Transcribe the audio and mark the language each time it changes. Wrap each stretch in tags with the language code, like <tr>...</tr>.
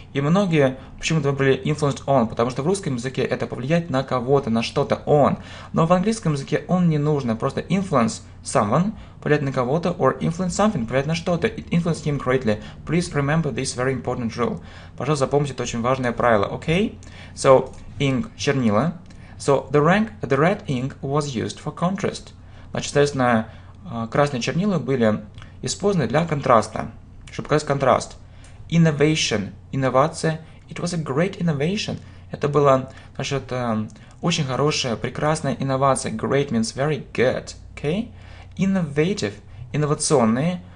<ru>И многие почему-то выбрали influenced on, потому что в русском языке это повлиять на кого-то, на что-то on. Но в английском языке он не нужно, просто</ru> <en>influence someone,</en> <ru>повлиять на кого-то,</ru> <en>or influence something,</en> <ru>повлиять на что-то.</ru> <en>It influenced him greatly. Please remember this very important rule.</en> <ru>Пожалуйста, запомните, это очень важное правило, okay?</ru> <en>So, ink – чернила. So, the red ink was used for contrast.</en> <ru>Значит, соответственно, красные чернила были использованы для контраста, чтобы показать контраст.</ru> <en>Innovation. Инновация. It was a great innovation.</en> <ru>Это была, значит, очень хорошая, прекрасная инновация.</ru> <en>Great means very good. Okay? Innovative. Инновационные.</en>